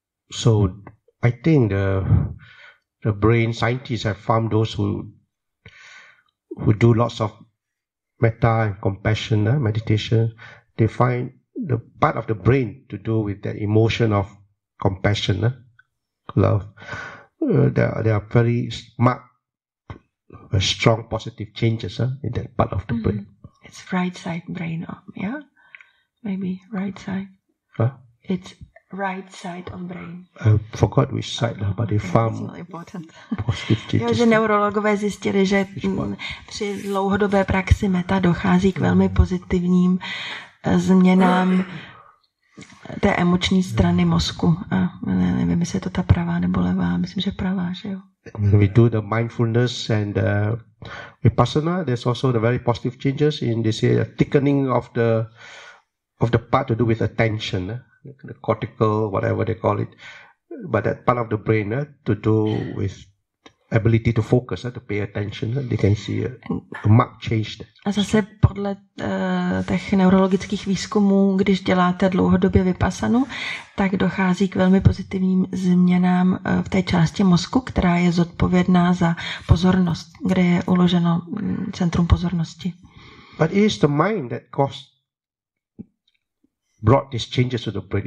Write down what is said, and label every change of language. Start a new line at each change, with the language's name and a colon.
English: So I think the brain scientists have found those who do lots of metta and compassion meditation, they find the part of the brain to do with that emotion of compassion, love, they are very smart. A strong positive changes in that part of the brain. It's right side brain, yeah? Maybe right side. Huh? It's right side of brain. I forgot which side, but they found positive changes.
Czech: Jo, že neurologové zjistili, že při dlouhodobé praxi meta dochází k velmi pozitivním změnám té emoční strany mozku. A nevím, jestli je to ta pravá nebo levá. Myslím, že pravá, že jo?
English: We do the mindfulness and vipassana. There's also the very positive changes in this a thickening of the part to do with attention, the cortical, whatever they call it, but that part of the brain to do with ability to focus, to pay attention, they can see a marked change.
Czech: A zase podle těch neurologických výzkumů, když děláte dlouhodobě vypasanu, tak dochází k velmi pozitivním změnám v té části mozku, která je zodpovědná za pozornost, kde je uloženo centrum pozornosti.
English: But it is the mind that brought these changes to the brain.